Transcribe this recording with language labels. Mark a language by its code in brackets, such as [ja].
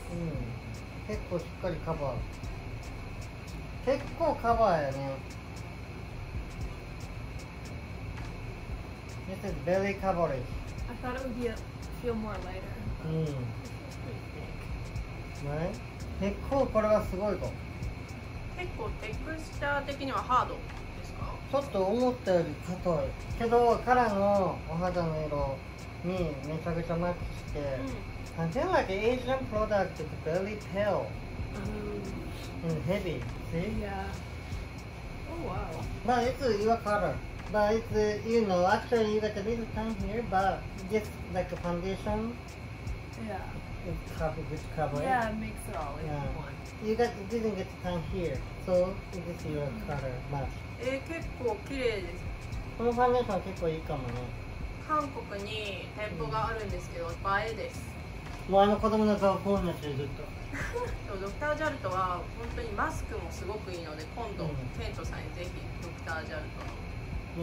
[ja] うん、結構しっかりカバー、結構カバーやね。 [en] This is very coverage. I thought it would be feel more lighter. [ja] うん、結構これはすごいか。結構テクスチャー的にはハードですか？ちょっと思ったより硬いけど、カラーのお肌の色にめちゃくちゃマッチして、うん、 [en] I feel like Asian product is very pale、and heavy, see? Yeah. Oh, wow. But it's your color. But it's, you know, actually you got a little tan here, but just like a foundation. Yeah. It's covered with cover. Yeah, it makes it all in、one. You got, didn't get tan here, so it is your、color match. [ja] 結構綺麗です。このファンデーション結構いいかもね。韓国に店舗があるんですけど、映えです。もうあの子供の顔こうなってずっとそう、ドクタージャルトは本当にマスクもすごくいいので、今度、ケントさんにぜひドクタージャルト